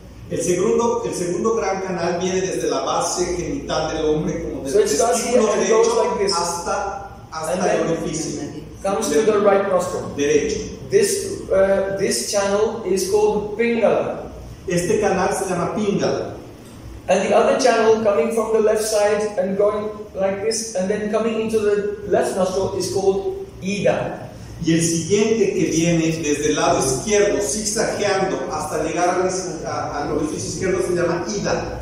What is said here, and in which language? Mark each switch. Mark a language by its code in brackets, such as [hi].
[es] El segundo gran canal viene desde la base genital del hombre, como desde el testículo derecho hasta el orificio. [en] Comes to the right nostril. [es] Derecho. [en] This channel is called Pingala. [es] Este canal se llama Pingala. [en] And the other channel coming from the left side and going like this and then coming into the left nostril is called Ida. [es] Y el siguiente que viene desde el lado izquierdo, zigzagueando hasta llegar al orificio izquierdo, se llama Ida.